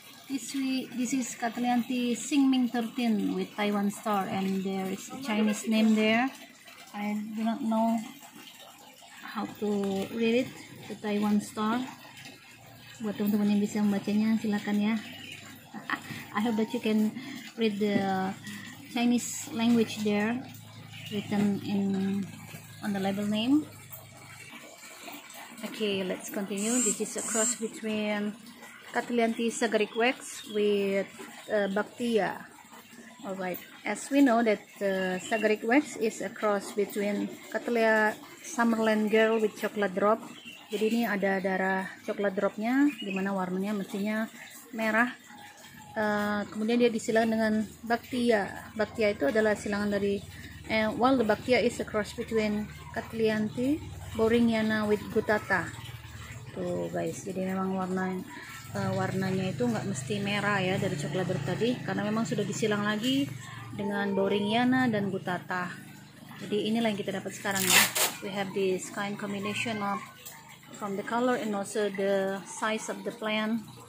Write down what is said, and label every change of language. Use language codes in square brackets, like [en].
[en] This is Cattleyanthi Xingming 13 with Taiwan star, and there is a Chinese name there. I do not know how to read it, the Taiwan star. [id] Buat teman-teman yang bisa membacanya, silakan ya. [en] I hope that you can read the Chinese language there, written in on the label name. Okay, let's continue. This is a cross between Cattleyanthi Sagaric Wax with Bactia. Alright, as we know that Sagaric Wax is a cross between Cattleya Summerland Girl with Chocolate Drop. [id] Jadi ini ada darah Chocolate Drop-nya, dimana warnanya mestinya merah. Kemudian dia disilang dengan Bactia. Bactia itu adalah silangan dari, [en] while the Bactia is a cross between Cattleyanthi Boringiana with Gutata. [id] Tuh guys, jadi memang warnanya itu nggak mesti merah ya dari coklat drop tadi, karena memang sudah disilang lagi dengan Boringiana dan Gutata. Jadi inilah yang kita dapat sekarang ya. [en] We have this kind combination of from the color and also the size of the plant.